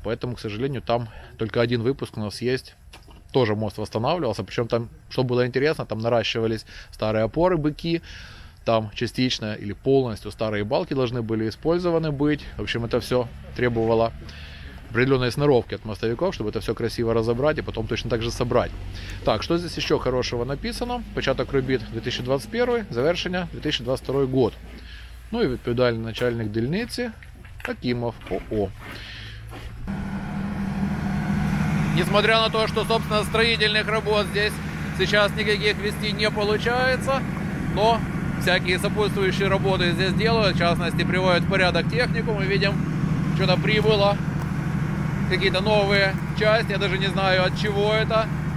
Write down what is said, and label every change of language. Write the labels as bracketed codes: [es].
[ru] Поэтому, к сожалению, там только один выпуск у нас есть. Тоже мост восстанавливался, причем там, что было интересно, там наращивались старые опоры, быки, там частично или полностью старые балки должны были использованы быть. В общем, это все требовало определенной сноровки от мостовиков, чтобы это все красиво разобрать и потом точно так же собрать. Так, что здесь еще хорошего написано? [uk] Початок робіт 2021, завершення 2022 год. Ну и відповідальний начальник дільниці Акимов ОО. [ru] Несмотря на то, что, собственно, строительных работ здесь Сейчас никаких вестей не получается, но всякие сопутствующие работы здесь делают, в частности, приводят в порядок технику. Мы видим, что-то прибыло, какие-то новые части, я даже не знаю, от чего это.